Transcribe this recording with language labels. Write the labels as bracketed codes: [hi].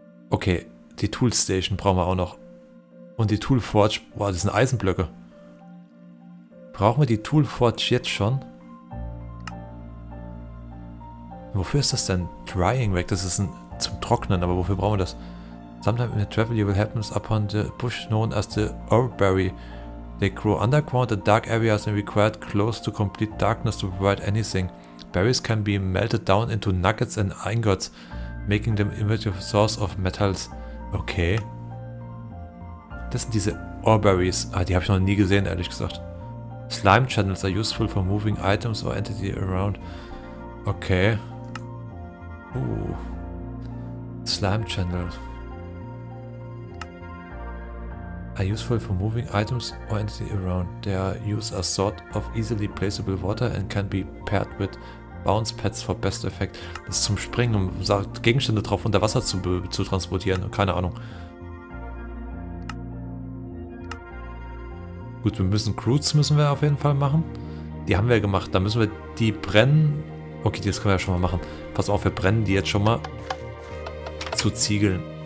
[de] Okay, die Toolstation brauchen wir auch noch. Und die Toolforge, boah, das sind Eisenblöcke. Brauchen wir die Toolforge jetzt schon? Wofür ist das denn? Drying Rack, das ist ein, zum Trocknen, aber wofür brauchen wir das? [en] Sometimes in the travel you will happen upon the bush known as the Oakberry. They grow underground in dark areas and required close to complete darkness to provide anything. Berries can be melted down into nuggets and ingots. Making them image of source of metals. Okay. [de] Das sind diese Oreberries. Ah, die habe ich noch nie gesehen, ehrlich gesagt. [en] Slime Channels are useful for moving items or entity around. Okay. Slime Channels. Are useful for moving items or entity around. They are used as sort of easily placeable water and can be paired with Bounce Pads for best effect. [de] Das ist zum Springen, um Gegenstände drauf unter Wasser zu transportieren. Keine Ahnung. Gut, wir müssen Crudes müssen wir auf jeden Fall machen. Die haben wir gemacht. Da müssen wir die brennen. Okay, das können wir ja schon mal machen. Pass auf, wir brennen die jetzt schon mal zu Ziegeln.